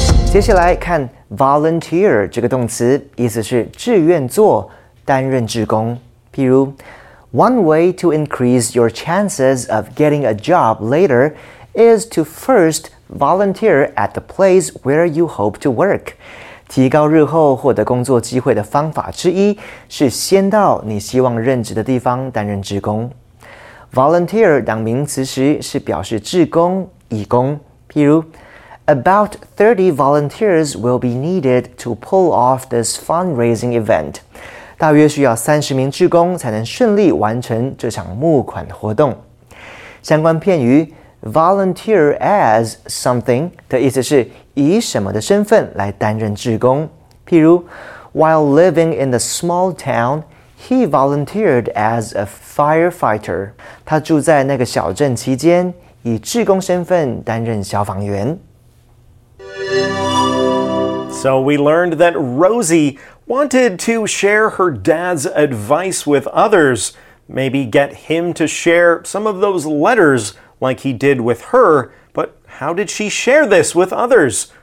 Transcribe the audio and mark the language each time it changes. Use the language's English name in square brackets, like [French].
[Chinese] 接下来看 volunteer 这个动词，意思是志愿做，担任志工。 [English] 譬如 ,One way to increase your chances of getting a job later is to first volunteer at the place where you hope to work. [Chinese] 提高日后获得工作机会的方法之一是先到你希望任职的地方担任志工。 Volunteer 当名词时是表示志工、义工。 [English] 譬如 ,About 30 volunteers will be needed to pull off this fundraising event. [Chinese] 大约需要30名志工才能顺利完成这场募款活动。相关片语 ,volunteer as something 的意思是以什么的身份来担任志工。 [English] 譬如 ,While living in the small town,He volunteered as a firefighter. [Chinese] 他住在那个小镇期间，以志工身份担任消防员。 [English] So we learned that Rosie wanted to share her dad's advice with others. Maybe get him to share some of those letters like he did with her. But how did she share this with others?